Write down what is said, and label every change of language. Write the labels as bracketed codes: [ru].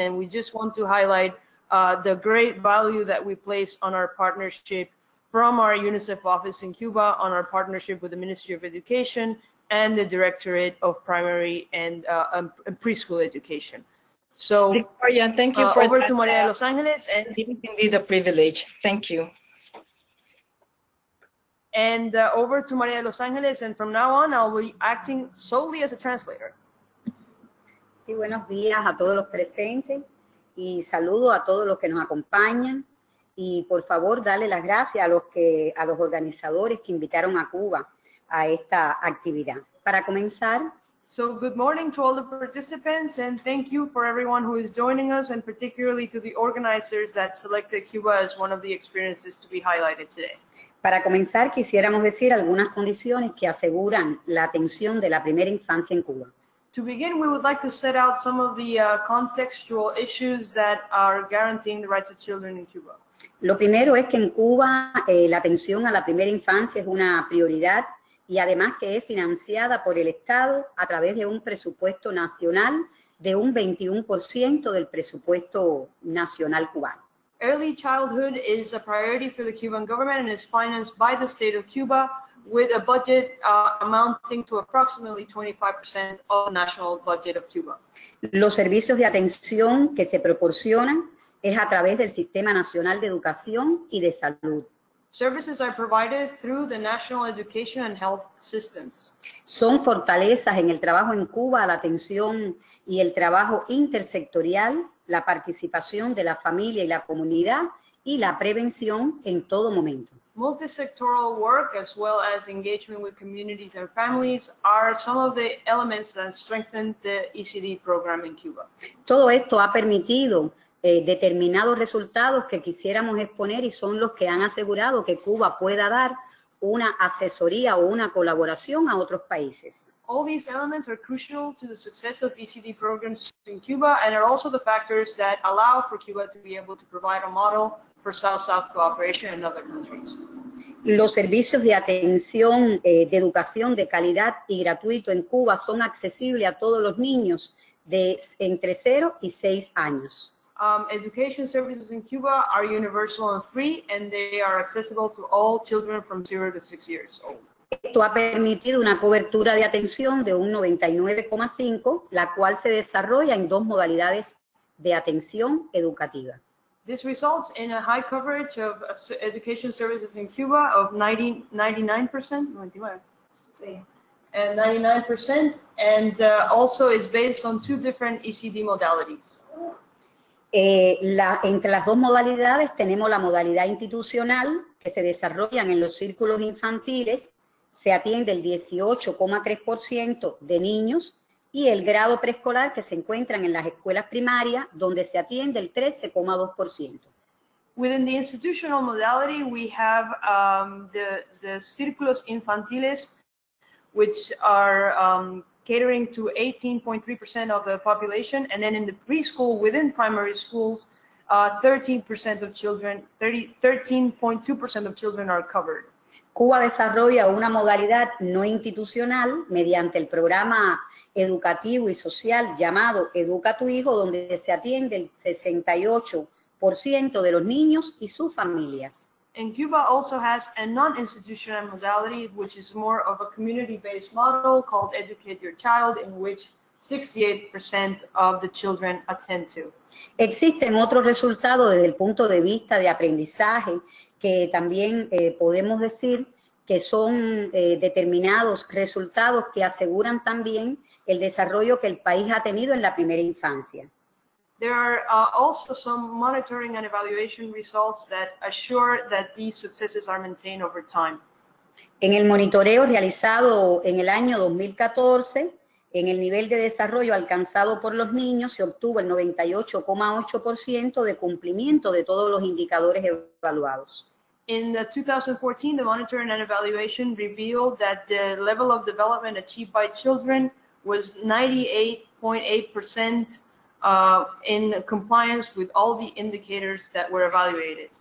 [en] And we just want to highlight the great value that we place on our partnership from our UNICEF office in Cuba, on our partnership with the Ministry of Education and the Directorate of Primary and Preschool Education. So, Victoria, thank you for over that, to Maria de Los Angeles, and it's indeed a privilege. Thank you. And over to Maria de Los Angeles, and from now on, I'll be acting solely as a translator. [es] Sí, buenos días a todos los presentes, y saludo a todos los que nos acompañan, y por favor, dale las gracias a los organizadores que invitaron a Cuba a esta actividad. Para comenzar. [en] So good morning to all the participants and thank you for everyone who is joining us and particularly to the organizers that selected Cuba as one of the experiences to be highlighted today. [es] Para comenzar, quisiéramos decir algunas condiciones que aseguran la atención de la primera infancia en Cuba. [en] To begin, we would like to set out some of the contextual issues that are guaranteeing the rights of children in Cuba. [es] Lo primero es que en Cuba la atención a la primera infancia es una prioridad y además que es financiada por el Estado a través de un presupuesto nacional de un 21% del presupuesto nacional cubano. [en] Early childhood is a priority for the Cuban government and is financed by the state of Cuba with a budget amounting to approximately 25% of the national budget of Cuba. [es] Los servicios de atención que se proporcionan es a través del Sistema Nacional de Educación y de Salud. [en] Services are provided through the national education and health systems. [es] Son fortalezas en el trabajo en Cuba, la atención y el trabajo intersectorial, la participación de la familia y la comunidad y la prevención en todo momento. [en] Multisectoral work as well as engagement with communities and families are some of the elements that strengthen the ECD program in Cuba. [es] Todo esto ha permitido determinados resultados que quisiéramos exponer y son los que han asegurado que Cuba pueda dar una asesoría o una colaboración a otros países. [en] All these elements are crucial to the success of ECD programs in Cuba and are also the factors that allow for Cuba to be able to provide a model for South-South cooperation in other countries. [es] Los servicios de atención de educación de calidad y gratuito en Cuba son accesibles a todos los niños de entre 0 y 6 años. [en] Education services in Cuba are universal and free, and they are accessible to all children from 0 to 6 years old. [es] Esto ha permitido una cobertura de atención de un 99,5, la cual se desarrolla en dos modalidades de atención educativa. [en] This results in a high coverage of education services in Cuba of 99%. And 99%, and also is based on two different ECD modalities. [es] Entre las dos modalidades tenemos la modalidad institucional que se desarrollan en los círculos infantiles, se atiende el 18,3% de niños y el grado preescolar que se encuentran en las escuelas primarias donde se atiende el 13,2%. [en] Within the institutional modality we have the círculos infantiles which are catering to 18.3% of the population, and then in the preschool within primary schools, 13% of children, 13.2% of children are covered. [es] Cuba desarrolla una modalidad no institucional mediante el programa educativo y social llamado Educa a tu Hijo, donde se atiende el 68% de los niños y sus familias. [en] And Cuba also has a non-institutional modality, which is more of a community-based model called Educate Your Child, in which 68% of the children attend to. [es] Existen otros resultados desde el punto de vista de aprendizaje que también podemos decir que son determinados resultados que aseguran también el desarrollo que el país ha tenido en la primera infancia. [en] There are also some monitoring and evaluation results that assure that these successes are maintained over time. [es] En el monitoreo realizado en el año 2014, en el nivel de desarrollo alcanzado por los niños, se obtuvo el 98,8% de cumplimiento de todos los indicadores evaluados. [en] In the 2014, the monitoring and evaluation revealed that the level of development achieved by children was 98.8%. In compliance with all the indicators that were evaluated.